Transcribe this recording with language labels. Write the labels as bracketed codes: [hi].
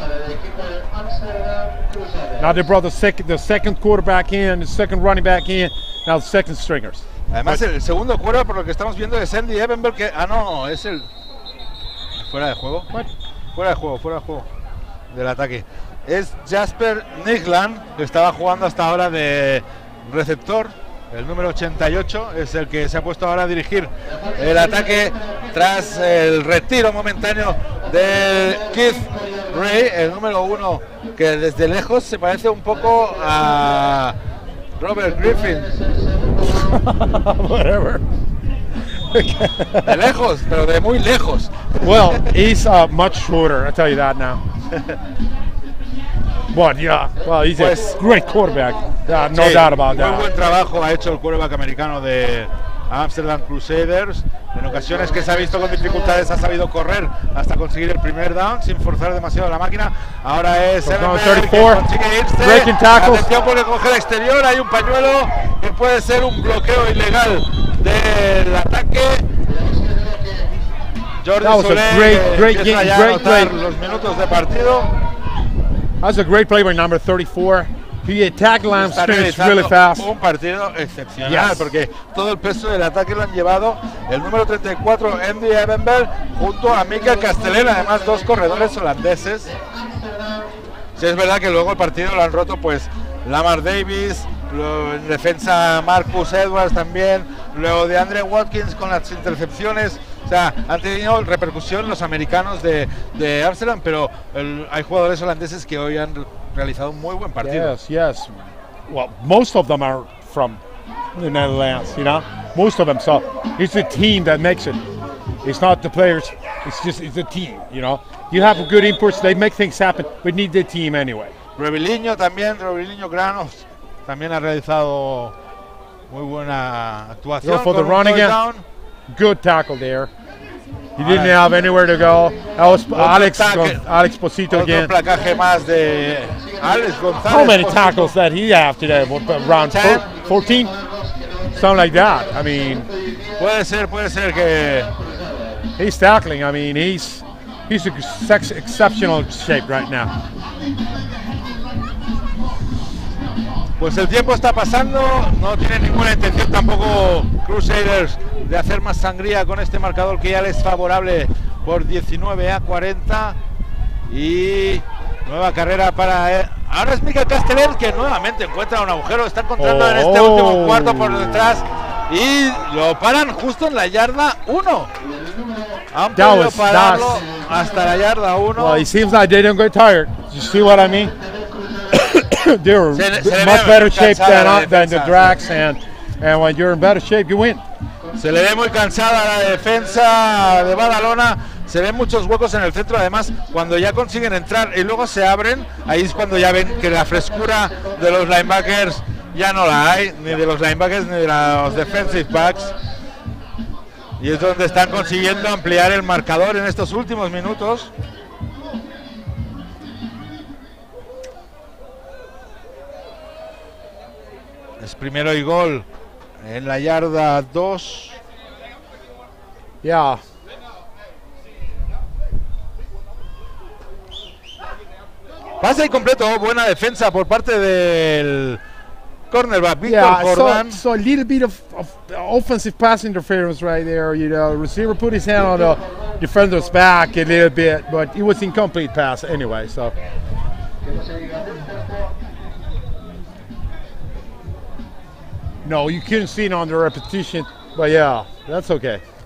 [en] Now they brought the second quarterback in, the second running back in, now the second stringers. [es] Además, el segundo quarterback por lo que estamos viendo es Andy Ebenberg, que ah no, es el fuera de juego. [en] What? [es] Fuera de juego del ataque. Es Jasper Nigland, que estaba jugando hasta ahora de receptor. El número 88 es el que se ha puesto ahora a dirigir el ataque tras el retiro momentáneo de Keith Ray, el número 1, que desde lejos se parece un poco a Robert Griffin. [en] Whatever. [es] De lejos, pero de muy lejos. [en] Well, he's much shorter, I tell you that now. But yeah, well, he's pues, a great quarterback. Yeah, no [es] sí, [en] doubt about [es] muy [en] that. [es] Muy buen trabajo ha hecho el quarterback americano de Amsterdam Crusaders. En ocasiones que se ha visto con dificultades ha sabido correr hasta conseguir el primer down sin forzar demasiado la máquina. Ahora es el [en] 34. Breaking tackles. [es] Atención porque coge el exterior, hay un pañuelo que puede ser un bloqueo ilegal del ataque. Jordi [en] that was [es] Solé, [en] a great game, great play. [es] Los minutos de partido. [en] That's a great play by number 34. He attacked Lance Smith really fast. [es] Un partido excepcional, yes. Porque todo el peso del ataque lo han llevado el número 34, Andy Ebenberg, junto a Mikael Castellén, además dos corredores holandeses. Sí, es verdad que luego el partido lo han roto pues Lamar Davis, en defensa Marcus Edwards también, luego de Andre Watkins con las intercepciones. O sea, han tenido repercusión los americanos de Amsterdam, pero hay jugadores holandeses que hoy han realizado un muy buen partido. [en] Yes, yes. Well, most of them are from the Netherlands, you know? Most of them, so it's the team that makes it. It's not the players, it's the team, you know? You have good inputs, they make things happen, we need the team anyway. [es] Robilinho Granos también ha realizado muy buena actuación. [en] Go for the run again. Down. Good tackle there. He didn't have anywhere to go. That was Alex Posito again. [es] Otro placaje más de Alex González. [en] How many tackles that he have today? Around 14? Something like that. I mean, [es] puede ser que [en] he's tackling. I mean, he's in exceptional shape right now. [es] Pues el tiempo está pasando, no tiene ninguna intención tampoco Crusaders de hacer más sangría con este marcador que ya les es favorable por 19-40. y nueva carrera para ahora es Mikel Kasteler, que nuevamente encuentra un agujero, está encontrando en este último cuarto por detrás y lo paran justo en la yarda 1. Han podido pararlo hasta la yarda 1. [en] Well, it seems like they don't get tired. You see what I mean? They're much better shape than the Drax, and when you're in better shape, you win. [es] Se le ve muy cansada la defensa de Badalona. Se ven muchos huecos en el centro, además, cuando ya consiguen entrar y luego se abren, ahí es cuando ya ven que la frescura de los linebackers ya no la hay, ni de los linebackers ni de los defensive backs. Y es donde están consiguiendo ampliar el marcador en estos últimos minutos. Es primero y gol en la yarda 2. Ya. Pase completo, buena defensa por parte del cornerback Víctor Jordán. [en] Yeah, so a little bit of offensive pass interference right there. You know, receiver put his hand on the defender's back a little bit, but it was incomplete pass anyway. So. No, you couldn't see it on the repetition, but yeah, that's okay.